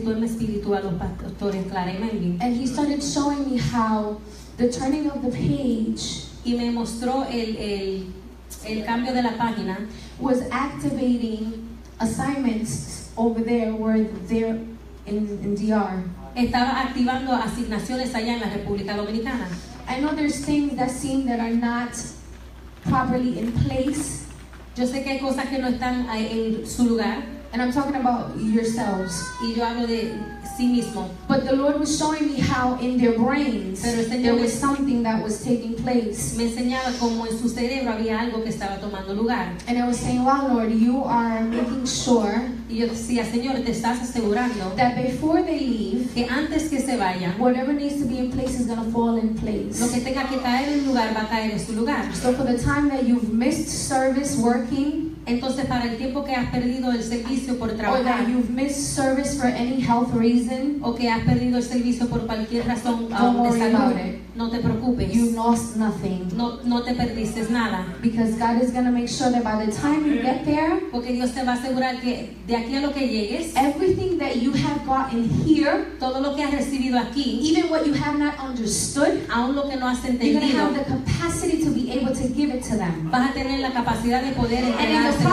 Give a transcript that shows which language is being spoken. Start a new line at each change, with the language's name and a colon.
English: And he started showing me how the turning of the page
Spanish: y me mostró el cambio de la página,
English: was activating assignments over there where they're in DR.
Spanish: Estaba activando asignaciones allá en la República Dominicana.
English: I know there's things that seem that are not properly in place.
Spanish: Yo sé que hay cosas que no están en su lugar.
English: And I'm talking about yourselves.
Spanish: Y yo hablo de sí mismo.
English: But the Lord was showing me how in their brains there was something that was taking place.
Spanish: Me enseñaba cómo en su cerebro había algo que estaba tomando lugar.
English: And I was saying, "Wow, Lord, you are making sure."
Spanish: Y yo decía, Señor, te estás asegurando
English: that before they leave,
Spanish: que antes que se vayan,
English: whatever needs to be in place is going to fall in place.
Spanish: Lo que tenga que caer en lugar va a caer en su lugar.
English: So for the time that you've missed service working.
Spanish: Entonces, para el tiempo que has perdido el servicio por trabajar,
English: or that you've missed service for any health reason,
Spanish: o que has perdido el servicio por cualquier razón, no te preocupes.
English: You lost nothing.
Spanish: No te perdiste nada.
English: Because God is going to make sure that by the time you get there,
Spanish: porque Dios te va a asegurar que de aquí a lo que llegues,
English: everything that you have gotten here,
Spanish: todo lo que has recibido aquí,
English: even what you have not understood,
Spanish: aún lo que no has entendido,
English: you're going to have the capacity to be able to give it to them.
Spanish: Vas a tener la capacidad de poder entregárselo